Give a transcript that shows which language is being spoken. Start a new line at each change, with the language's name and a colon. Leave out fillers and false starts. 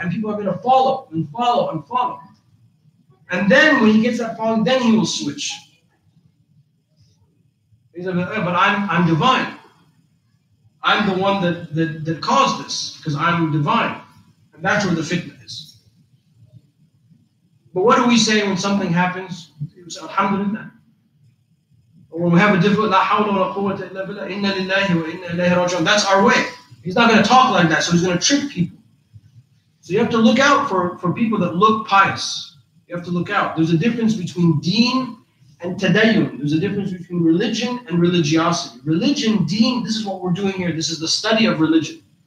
English: And people are going to follow and follow and follow. And then when he gets that following, then he will switch. He said, but I'm divine. I'm the one that caused this because I'm divine. And that's where the fitna is. But what do we say when something happens? We say, Alhamdulillah. When we have a difficult,
Arabic: لا حول ولا قوة إلا بالله إن لله وإن إليه راجعون.
English: That's our way. He's not going to talk like that, so he's going to trick people. So you have to look out for people that look pious. You have to look out. There's a difference between deen and tadayyun. There's a difference between religion and religiosity. Religion, deen, this is what we're doing here. This is the study of religion.